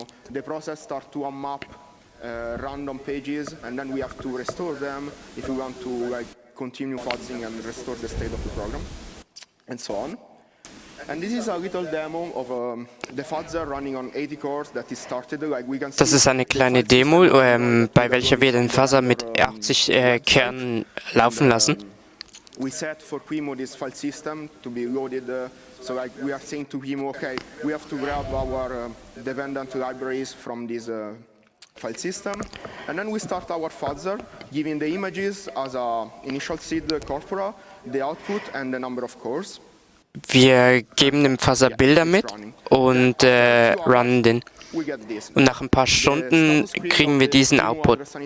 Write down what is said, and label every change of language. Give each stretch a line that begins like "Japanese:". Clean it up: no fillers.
English: The process start to unmap random pages and then we have to restore them if we want to like continue fuzzing and restore the state of the program and so on. And this is a little demo of the fuzzer running on 80 cores that is started. Like we can see.
German: Das ist eine kleine Demo, bei welcher wir den Fuzzer mit 80 Kernen laufen lassen.
English: We set for Quemu this file system to be loaded. So like we are saying to Quemu, okay, we have to grab our dependent libraries from this file system, and then we start our fuzzer, giving the images as a initial seed corpora, the output and the number of cores.
German: Wir geben dem Fuzzer Bilder mit und runnen den. Und nach ein paar Stunden kriegen wir diesen Output.